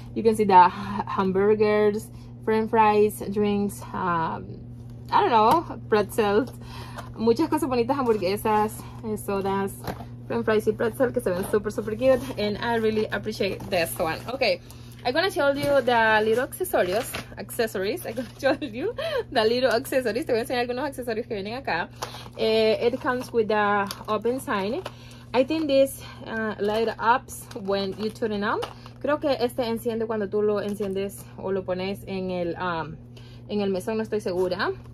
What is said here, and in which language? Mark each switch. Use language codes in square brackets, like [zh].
[en] You can see the hamburgers, french fries, drinks, I don't know, pretzels, [es] muchas cosas bonitas, hamburguesas, sodas, french fries y pretzel, que se ven super super cute, [en] and I really appreciate this one. Okay, I'm gonna show you the little accessories. [es] Te voy a enseñar algunos accesorios que vienen acá. [en] It comes with the open sign. I think this light ups when you turn it on. [es] Creo que este enciende cuando tú lo enciendes o lo pones en el mesón, no estoy segura.